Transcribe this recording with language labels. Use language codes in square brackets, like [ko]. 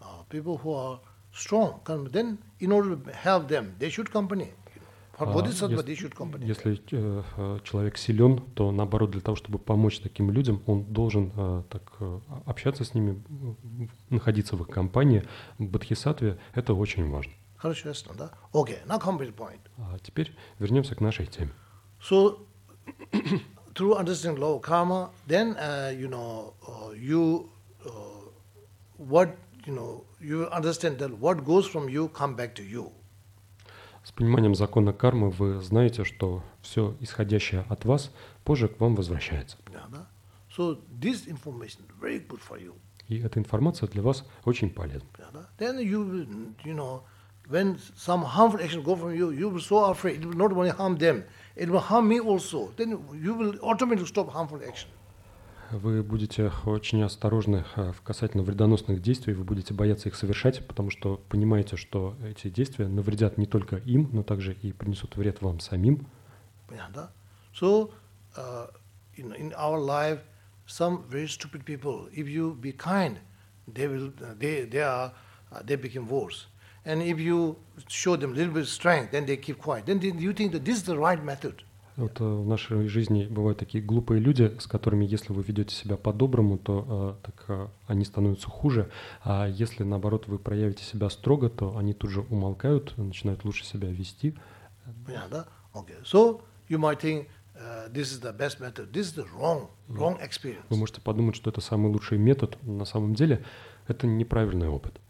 [en] People who are strong, then in order to help them, they should accompany. For bodhisattva, they should accompany. [ru] Если человек силен, то наоборот, для того, чтобы помочь таким людям, он должен так общаться с ними, находиться в их компании. В бодхисаттве это очень важно. Хорошо, ясно, да? [en] Okay, now come to the point. [ru] Теперь вернемся к нашей теме. [en] So, through understanding law of karma, then, you understand that what goes from you come back to you. [ru] С пониманием закона кармы вы знаете, что все исходящее от вас позже к вам возвращается. [en] So this information very good for you. [ru] И эта информация для вас очень полезна. [en] Then you know, when some harmful action go from you, you will be so afraid. It will not only harm them, it will harm me also. Then you will automatically stop harmful action. [ru] Вы будете очень осторожны касательно вредоносных действий, вы будете бояться их совершать, потому что понимаете, что эти действия навредят не только им, но также и принесут вред вам самим. Понятно, да? [en] So, in our life, some very stupid people, if you be kind, they become worse. And if you show them a little bit of strength, then they keep quiet. Then you think that this is the right method. [ru] Вот в нашей жизни бывают такие глупые люди, с которыми, если вы ведете себя по-доброму, то они становятся хуже. А если, наоборот, вы проявите себя строго, то они тут же умолкают, начинают лучше себя вести. Понятно, да? Okay. [en] So you might think this is the best method. This is the wrong experience. [ru] Вы можете подумать, что это самый лучший метод. На самом деле это неправильный опыт.